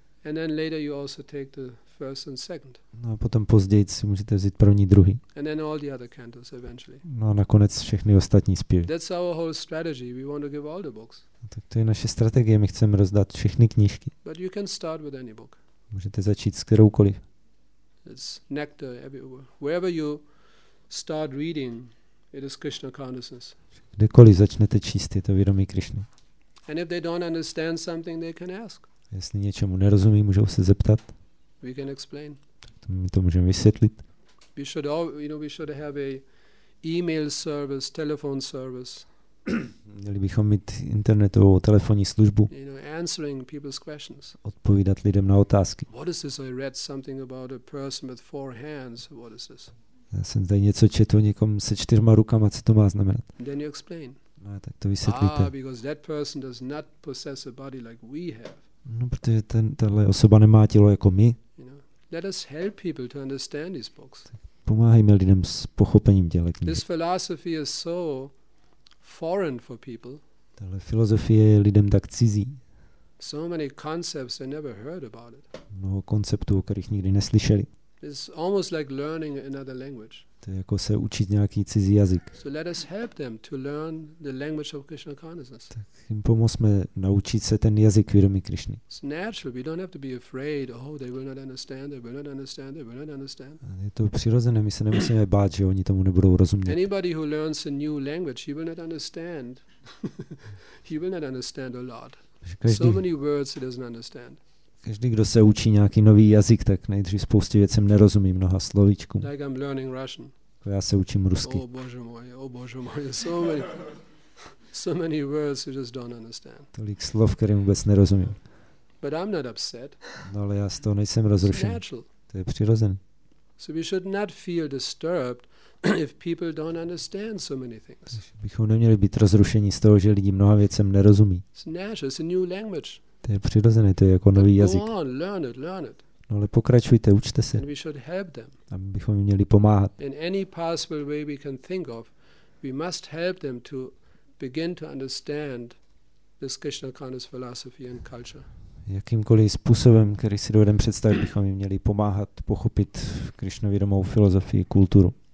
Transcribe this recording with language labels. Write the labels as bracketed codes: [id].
[en] And then later you also take the first and second. [cs] No a potom později si můžete vzít první, druhý. [en] And then all the other cantos eventually. [cs] No a nakonec všechny ostatní zpěvy. [en] That's our whole strategy. We want to give all the books. [cs] No, tak to je naše strategie. My chceme rozdat všechny knížky. [en] But you can start with any book. [cs] Můžete začít s kteroukoliv. [en] It's nectar everywhere. Wherever you start reading, it is Krishna consciousness. [cs] Kdekoliv začnete číst, je to vědomí Krišny. [en] And if they don't understand something, they can ask. [cs] Jestli něčemu nerozumí, můžou se zeptat. [en] We can explain. [cs] To my to můžeme vysvětlit. [en] We should all, you know, we should have a email service, telephone service. [cs] Měli bychom mít internetovou telefonní službu. [en] You know, answering people's questions. [cs] Odpovídat lidem na otázky. [en] What is this? I read something about a person with four hands. What is this? [cs] Já jsem tady něco četl někomu se čtyřma rukama, co to má znamenat. [en] Then you explain. [cs] No, tak to vysvětlíte. [en] Ah, because that person does not possess a body like we have. [cs] No, protože tahle osoba nemá tělo jako my. [en] You know, let us help people to understand these books. [cs] Pomáhajme lidem s pochopením těchto knih. [en] This philosophy is so foreign for people. [cs] Tahle filozofie je lidem tak cizí. [en] So many concepts they never heard about it. [cs] Mnoho konceptů, o kterých nikdy neslyšeli. [en] It's almost like learning another language. [cs] To je jako se učit nějaký cizí jazyk. [en] So let us help them to learn the language of Krishna consciousness. [cs] Tak jim pomozme naučit se ten jazyk vědomí Krišny. [en] It's natural. We don't have to be afraid. Oh, they will not understand. They will not understand. They will not understand. [cs] Je to přirozené. My se nemusíme bát, že oni tomu nebudou rozumět. [en] Anybody who learns a new language, he will not understand. He will not understand a lot. So many words he doesn't understand. [cs] Každý, kdo se učí nějaký nový jazyk, tak nejdřív spoustě věcem nerozumí mnoha slovíčkům. [en] Like I'm learning Russian. [cs] Já se učím rusky. [en] Oh [ru] bože moje, [en] so many words you just don't understand. [cs] Tolik slov, kterým vůbec nerozumím. [en] But I'm not upset. [cs] No, ale já z toho nejsem rozrušen. To je přirozené. [en] So we should not feel disturbed if people don't understand so many things. [cs] Bychom neměli být rozrušení z toho, že lidi mnoha věcem nerozumí. [en] It's natural. It's a new language. [cs] To je přirozené, to je jako nový jazyk. [en] On, learn it. [cs] No ale pokračujte, učte se. [en] And we should help them. [cs] A my bychom jim měli pomáhat. [en] In any possible way we can think of, we must help them to begin to understand this Krishna consciousness philosophy and culture. [cs] Jakýmkoliv způsobem, který si dovedem představit, bychom jim měli pomáhat pochopit krišnovědomou filozofii, kulturu.